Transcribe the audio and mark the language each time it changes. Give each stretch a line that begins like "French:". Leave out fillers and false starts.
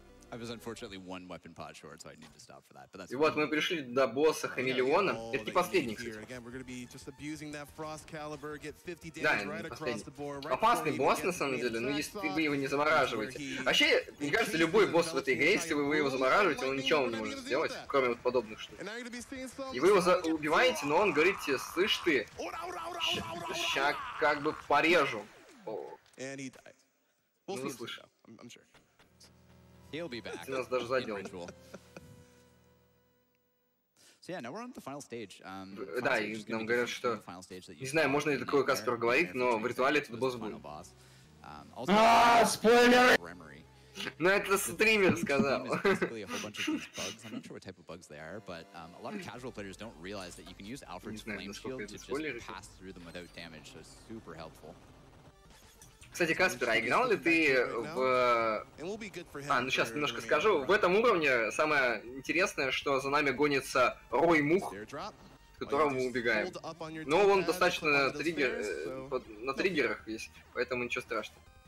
English: I was unfortunately one weapon pod short, so I need to stop for that. But that's.
Russian: И вот мы пришли до босса Хамелеона. Это не последний, кстати.
English: Again, we're gonna be just abusing that frost caliber, get 50 damage right across the board.
Russian: Опасный босс на самом деле, но если вы его не замораживаете. Вообще, мне кажется, любой босс в этой игре, если вы его замораживаете, он ничего не может сделать, кроме вот подобных штук. И вы его убиваете, но он говорит тебе: слышь ты, ща как бы порежу.
English: And he died. We'll see him. I'm sure. He'll be back.
Russian: Нас даже задел.
English: So yeah, now we're on the final stage.
Russian: Да, и нам говорят, что... Не знаю, можно ли такое Каспер говорить, но в ритуале этот босс будет. Ааа, спойлеры! Ну это стример сказал.
English: I'm not sure what type of bugs they are, but a lot of casual players don't realize that you can use Alfred's flame shield to just pass through them without damage, so super helpful.
Russian: Кстати, Каспер, а играл ли ты в... А, ну сейчас немножко скажу. В этом уровне самое интересное, что за нами гонится рой мух, с которого мы убегаем. Но он достаточно на триггерах есть, поэтому ничего страшного.